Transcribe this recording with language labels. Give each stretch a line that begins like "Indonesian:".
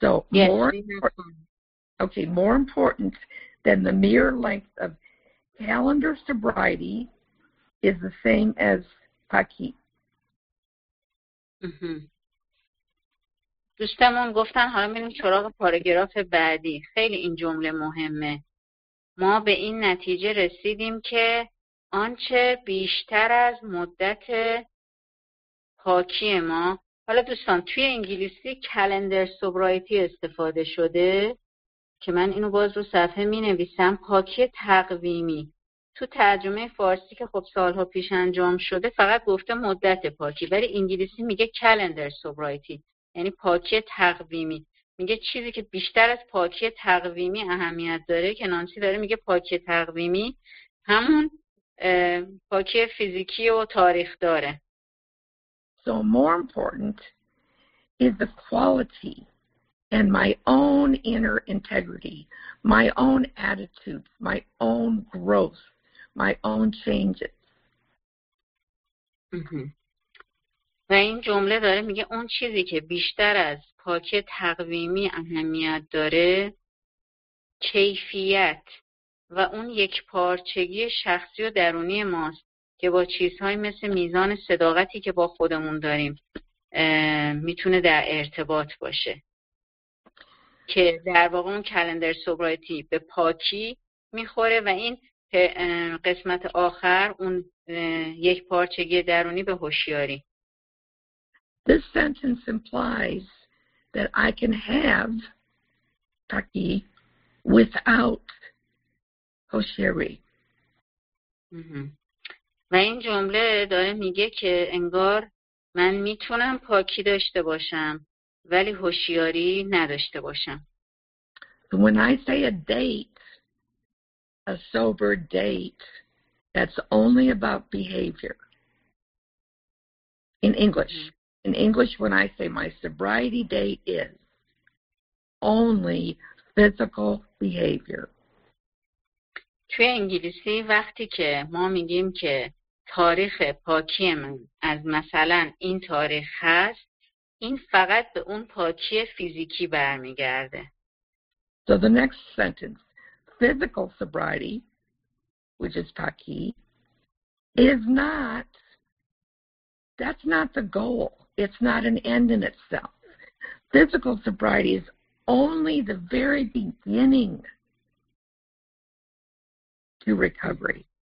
English: More important than the mere length of calendar sobriety is the same as Paki.
Persian: دوستمون گفتن حالا میریم سراغ پاراگراف بعدی. خیلی این جمله مهمه. ما به این نتیجه رسیدیم که آنچه بیشتر از مدت پاکی ما، حالا دوستان توی انگلیسی calendar sobriety استفاده شده که من اینو باز رو صفحه می نویسم، پاکی تقویمی. تو ترجمه فارسی که خب سالها پیش انجام شده فقط گفته مدت پاکی، ولی انگلیسی میگه calendar sobriety یعنی پاکی تقویمی. میگه چیزی که بیشتر از پاکی تقویمی اهمیت داره که نانسی داره میگه پاکی تقویمی همون پاکی فیزیکی و تاریخ داره.
English: So more important is the quality and my own inner integrity, my own attitudes, my own growth, my own changes.
Persian: و این جمله داره میگه اون چیزی که بیشتر از پاکی تقویمی اهمیت داره کیفیت و اون یک پارچگی شخصی و درونی ماست که با چیزهای مثل میزان صداقتی که با خودمون داریم میتونه در ارتباط باشه، که در واقع اون کلندر سوبرایتی به پاکی میخوره و این قسمت آخر اون یک پارچگی درونی به هوشیاری.
English: This sentence implies that I can have Paki without hoshiri.
Persian: و این جمله داره میگه که انگار من میتونم پاکی داشته باشم ولی هوشیاری نداشته باشم.
English: When I say a date, a sober date, that's only about behavior. In English. In English, when I say my sobriety date is only physical behavior.
Persian: توی انگلیسی وقتی که ما میگیم که تاریخ پاکی من از مثلا این تاریخ هست، این فقط به اون پاکی فیزیکی برمیگرده.
English: So the next sentence, physical sobriety, which is Paki, is not, that's not the goal. It's not an end in itself. Physical sobriety is only the very beginning to recovery.